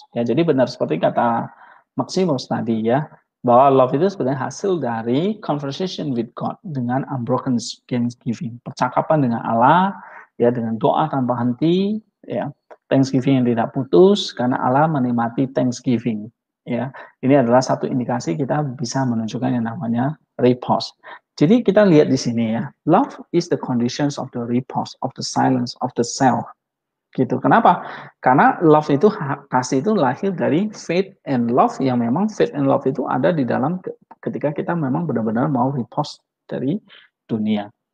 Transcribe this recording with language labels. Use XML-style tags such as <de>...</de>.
<id>Ya, jadi benar seperti kata Maximus tadi, ya, bahwa love itu sebenarnya hasil dari</id> <en>conversation with God</en> <id>dengan</id> <en>unbroken thanksgiving,</en> <id>percakapan dengan Allah, ya, dengan doa tanpa henti, ya, thanksgiving yang tidak putus karena Allah menikmati thanksgiving. Ya, ini adalah satu indikasi kita bisa menunjukkan yang namanya repose. Jadi kita lihat di sini, ya,</id> <en>love is the conditions of the repose, of the silence, of the self.</en> <id>Gitu. Kenapa? Karena love itu, kasih itu lahir dari</id> <en>faith and love,</en> <id>yang memang faith and love itu ada di dalam ketika kita memang benar-benar mau repose dari dunia.</id>